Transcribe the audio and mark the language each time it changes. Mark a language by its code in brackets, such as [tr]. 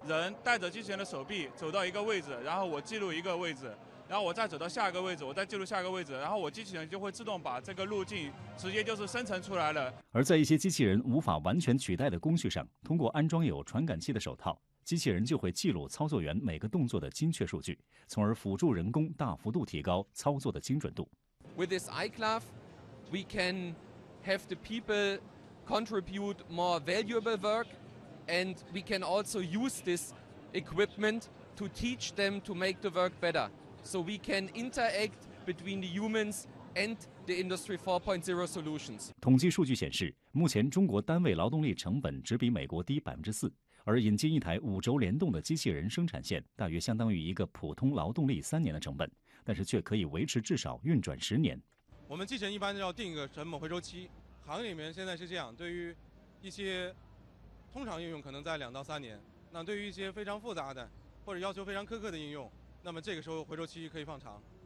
[zh] 人带着机器人的手臂走到一个位置，然后我记录一个位置，然后我再走到下一个位置，我再记录下一个位置，然后我机器人就会自动把这个路径直接就是生成出来了。而在一些机器人无法完全取代的工序上，通过安装有传感器的手套，机器人就会记录操作员每个动作的精确数据，从而辅助人工大幅度提高操作的精准度。 [en] With this iClave, we can have the people contribute more valuable work, and we can also use this equipment to teach them to make the work better. So we can interact between the humans and the Industry 4.0 solutions. [zh] 统计数据显示，目前中国单位劳动力成本只比美国低4%，而引进一台5轴联动的机器人生产线，大约相当于一个普通劳动力3年的成本，但是却可以维持至少运转10年。我们机器人一般要定一个成本回收期，行业里面现在是这样，对于一些通常应用可能在2到3年，那对于一些非常复杂的或者要求非常苛刻的应用，那么这个时候回收期可以放长。